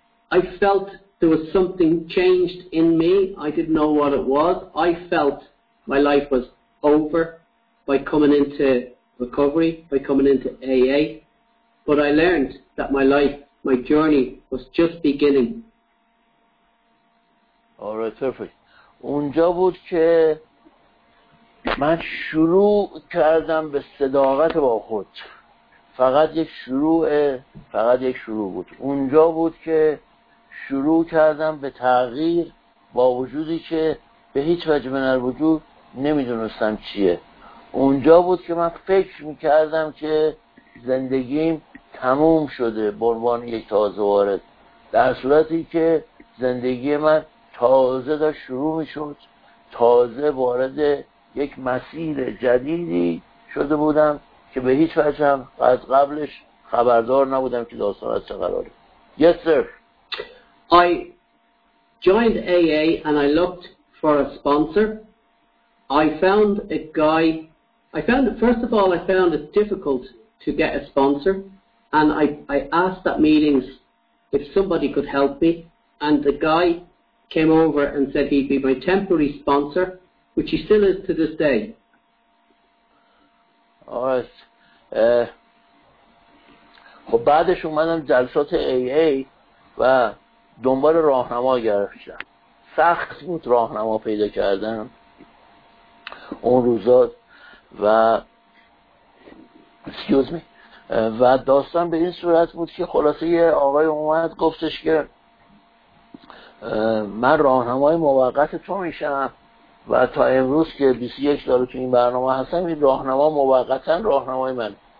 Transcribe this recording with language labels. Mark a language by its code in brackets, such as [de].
[en] I felt there was something changed in me. I didn't know what it was. I felt my life was over by coming into recovery, by coming into AA. But I learned that my life, my journey was just beginning. All right, perfect. [fa] اونجا بود که من شروع کردم به صداقت با خود. فقط یک شروع بود. اونجا بود که شروع کردم به تغییر، با وجودی که به هیچ وجه من در وجود نمیدونستم چیه. اونجا بود که من فکر میکردم که زندگیم تموم شده به عنوان یک تازه وارد، در صورتی که زندگی من تازه داشت شروع میشد، تازه وارد یک مسیر جدیدی شده بودم که به هیچ وجه هم از قبلش خبردار نبودم که داستان از چه قراره. [en] Yes sir. I joined AA and I looked for a sponsor. I found a guy. I found it difficult to get a sponsor, and I asked at meetings if somebody could help me, and the guy came over and said he'd be my temporary sponsor, which he still is to this day. All right. [fa] خب بعدش اومدم جلسات AA و دنبال راهنما گرفتم. سخت بود راهنما پیدا کردم اون روزا و و داستان به این صورت بود که خلاصه یه آقای اومد گفتش که من راهنمای موقت تو میشم و تا امروز که 21 سال تو این برنامه هستم، این راهنما موقتا راهنمای من.